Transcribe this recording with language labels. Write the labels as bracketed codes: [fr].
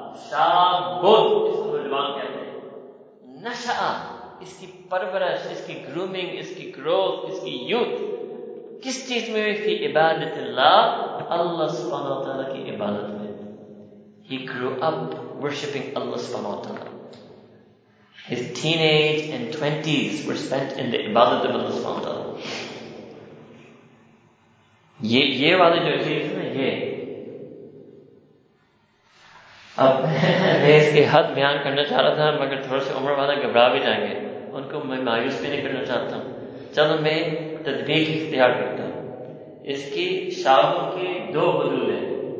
[ur] شابن اس کو نوجوان کہتے ہیں، نشأ اس کی پرورش، اس کی گرومنگ، اس کی گروتھ، اس کی یوتھ کس چیز میں ہوئی؟ فی عبادت اللہ، اللہ سبحانہ وتعالیٰ کی عبادت میں. [en] He grew up worshipping اللہ سبحانہ وتعالیٰ. His teenage and 20s were spent in the عبادت of اللہ سبحانہ وتعالیٰ. [ur] یہ والے جو چیز ہے یہ اب میں اس کی حد بیان کرنا چاہ رہا تھا، مگر تھوڑا سے عمر والا گھبرا بھی جائیں گے، ان کو میں مایوس بھی نہیں کرنا چاہتا ہوں. چلو میں تدبیر اختیار کرتا ہوں. اس کی شاخ کے دو حدود ہیں.